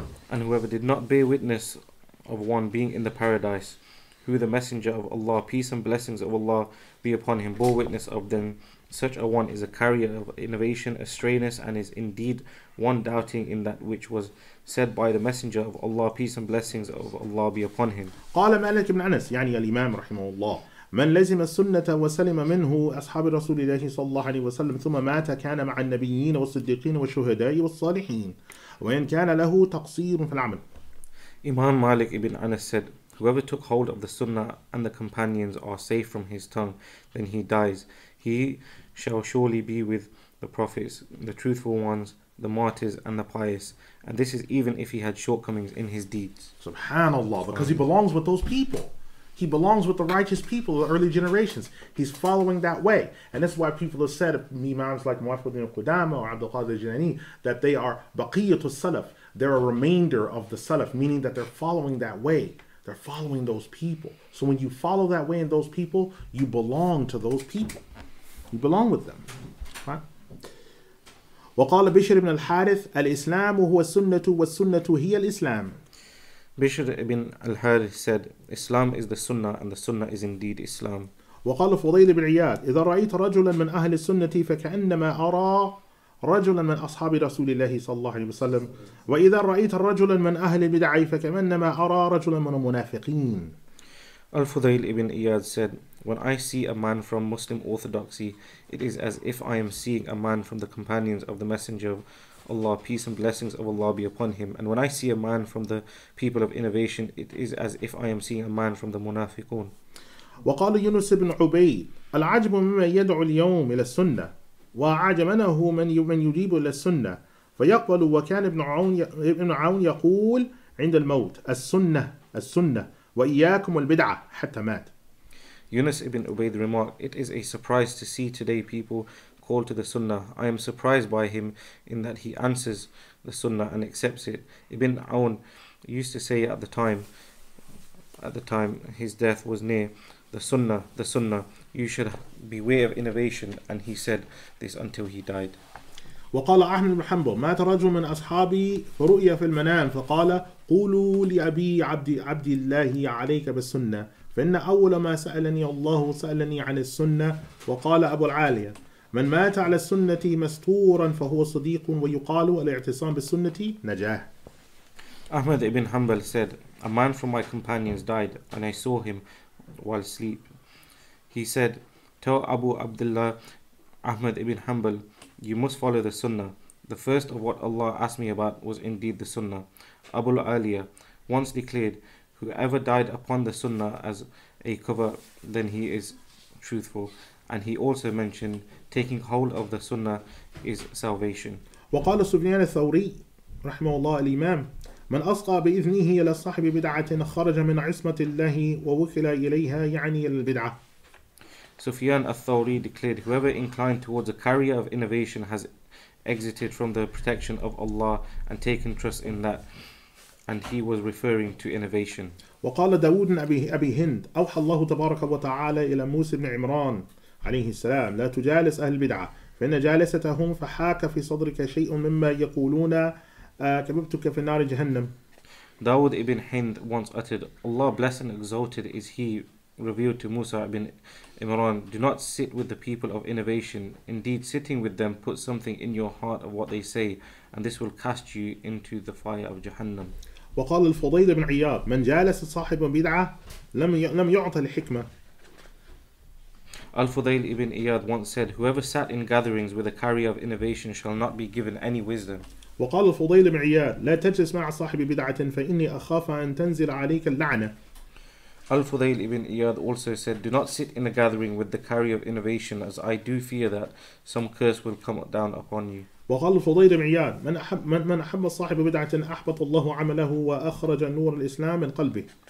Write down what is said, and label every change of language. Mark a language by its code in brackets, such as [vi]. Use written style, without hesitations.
[en] And whoever did not bear witness of one being in the paradise, who the Messenger of Allah, peace and blessings of Allah be upon him, bore witness of them, such a one is a carrier of innovation, a strayness, and is indeed one doubting in that which was said by the Messenger of Allah, peace and blessings of Allah be upon him. [ar] قال مالك بن أنس يعني الإمام رحمه الله من لزم السنة وسلم منه أصحاب رسول الله صلى الله عليه وسلم ثم مات كان مع النبيين والصديقين والشهداء والصالحين وإن كان له تقصير في العمل. [en] Imam Malik ibn Anas said, whoever took hold of the Sunnah and the companions are safe from his tongue, then he dies. He shall surely be with the prophets, the truthful ones, the martyrs, and the pious. And this is even if he had shortcomings in his deeds. Subhanallah, because he belongs with those people. He belongs with the righteous people, the early generations. He's following that way. And that's why people have said, Imams like Muwaffaquddin al-Qudama or Abdul Qadir al-Jilani, that they are baqiyatu salaf. They're a remainder of the Salaf, meaning that they're following that way. They're following those people. So when you follow that way and those people, you belong to those people. You belong with them. [ar] وَقَالَ بِشْرِ بْنَ الْحَارِثِ الْإِسْلَامُ هُوَ السُّنَّةُ وَالسُّنَّةُ هِيَ الْإِسْلَامُ. [en] Bishr ibn al-Harith said, Islam is the Sunnah, and the Sunnah is indeed Islam. [ar] وقال فضيل بن عياد إذا رأيت رجلا من أهل السنة فكأنما أرى رجلا من أصحاب رسول الله صلى الله عليه وسلم وإذا رأيت رجلا من أهل البدع فكأنما أرى رجلا من المنافقين. [en] الفضيل ابن عياد said, When I see a man from Muslim orthodoxy, it is as if I am seeing a man from the companions of the Messenger of Allah, peace and blessings of Allah be upon him. And when I see a man from the people of innovation, it is as if I am seeing a man from the munafiqun. [ar] وقال يونس بن عبيد العجب مما يدعو اليوم إلى السنة وعجبنه من يجيب إلى السنة فيقبل وكان ابن عون يقول عند الموت السنة السنة وإياكم البدعة حتى مات. [en] Yunus ibn Ubayd remarked, It is a surprise to see today people call to the Sunnah. I am surprised by him in that he answers the Sunnah and accepts it. Ibn Aun used to say at the time his death was near, the Sunnah, you should beware of innovation. And he said this until he died. [ar] وقال أحمد بن حنبل مات رجل من أصحابي فرؤيا في المنام فقال قولوا لأبي عبد الله عليك بالسنة فإن أول ما سألني الله سألني عن السنة وقال أبو العالية من مات على السنة مستورا فهو صديق ويقال الاعتصام بالسنة نجاه. [en] أحمد بن حنبل said, A man from my companions died and I saw him while asleep. He said, Tell Abu Abdullah Ahmad ibn Hanbal, You must follow the Sunnah. The first of what Allah asked me about was indeed the Sunnah. Abu Aliyah once declared, Whoever died upon the Sunnah as a cover, then he is truthful. And he also mentioned, Taking hold of the Sunnah is salvation. [ar] وقال سفيان الثوري رحمه الله الإمام من أصقى بإذنه إلى صاحب بدعة خرج من عصمة الله ووكل إليها يعني البدعة. [en] Sufyan al-Thawri declared, Whoever inclined towards a carrier of innovation has exited from the protection of Allah and taken trust in that. And he was referring to innovation. [ar] وقال داود أبي هند أوحى الله تبارك وتعالى إلى موسى بن عمران عليه السلام لا تجالس أهل البدعة فإن جالستهم فحاك في صدرك شيء مما يقولون كببتك في النار جهنم. [en] داود ibn Hind once uttered, Allah blessed and exalted is he revealed to Musa ibn Imran, Do not sit with the people of innovation. Indeed, sitting with them put something in your heart of what they say, and this will cast you into the fire of Jahannam. [ar] وقال الفضيل بن عياد من جالس صاحب بدعة لم يعطى الحكمة. [en] Al-Fudayl ibn Iyad once said, Whoever sat in gatherings with a carrier of innovation shall not be given any wisdom. [ar] وقال الفضيل بن عياد لا تجلس مع صاحب بدعة فإني أخاف أن تنزل عليك اللعنة. [en] Al-Fudayl ibn Iyad also said, Do not sit in a gathering with the carrier of innovation as I do fear that some curse will come down upon you. [ar] وقال الفضيل بن عياد من أحب صاحب بدعة أحبط الله عمله وأخرج نور الإسلام من قلبه.